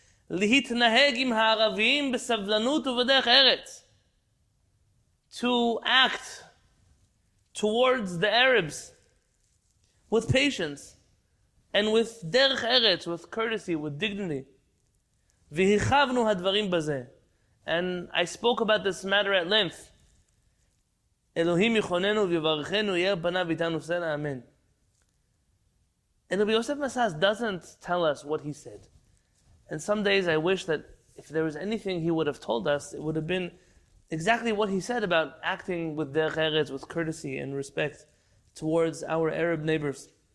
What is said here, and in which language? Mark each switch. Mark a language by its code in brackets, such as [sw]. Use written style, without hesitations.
[he] להתנהג עם הערבים בסבלנות ובדרך ארץ. [en] To act towards the Arabs with patience and with דרך ארץ, with courtesy, with dignity. [he] והרחבנו הדברים בזה. [en] And I spoke about this matter at length. [he] אלוהים יכוננו ויברכנו, יהיה פניו איתנו סלע, אמן. [en] And Rabbi Yosef Masas doesn't tell us what he said. And some days I wish that if there was anything he would have told us, it would have been exactly what he said about acting with derech eretz, with courtesy and respect towards our Arab neighbors.